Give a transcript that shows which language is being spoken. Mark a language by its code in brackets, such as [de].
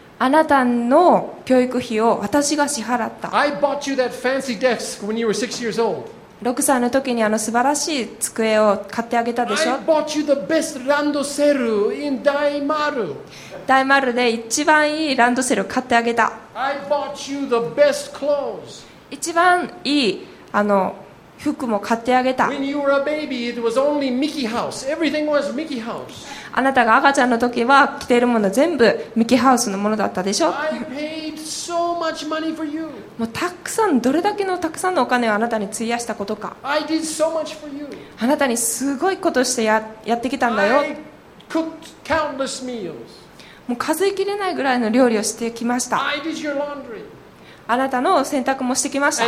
[ja] あなたの教育費を私が支払った。 [en] I bought you that fancy desk when you were 6 years old. [ja] 6歳の時にあの素晴らしい机を買ってあげたでしょ。 [en] I bought you the best ランドセル in 大丸。 [ja] 大丸で一番いいランドセルを買ってあげた。 [en] I bought you the best clothes [ja] 一番いいあの服も買ってあげた。 [en] When you were a baby, it was only Mickey House. Everything was Mickey House. [ja] あなたが赤ちゃんの時は着ているもの全部ミキハウスのものだったでしょ。 [en] I paid so much money for you. [ja] もうたくさん、どれだけのたくさんのお金をあなたに費やしたことか。 [en] I did so much for you. [ja] あなたにすごいことして やってきたんだよ。 [en] I cooked countless meals. [ja] もう数えきれないぐらいの料理をしてきました。 [en] I did your laundry. [ja] あなたの洗濯もしてきました。